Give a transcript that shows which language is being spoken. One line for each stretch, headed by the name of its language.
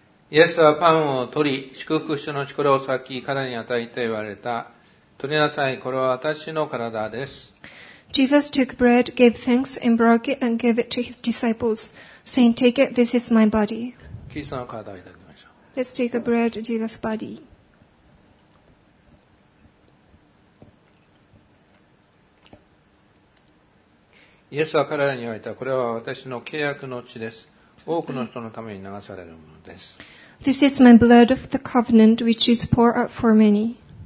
Japanese: イエスはパンを取り、祝福しての力を裂き、彼に与えて言われた。取りなさい、これは私の体です。
English: Jesus took bread, gave thanks, and broke it, and gave it to his disciples, saying, Take it, this is my body.
Japanese: キリストの体をいただきましょう。
English: Let's take a bread, Jesus' body.
Japanese: イエスは彼らに言われた、これは私の契約の血です。多くの人のために流されるものです。
English: This is my blood of the covenant, which is poured out for many.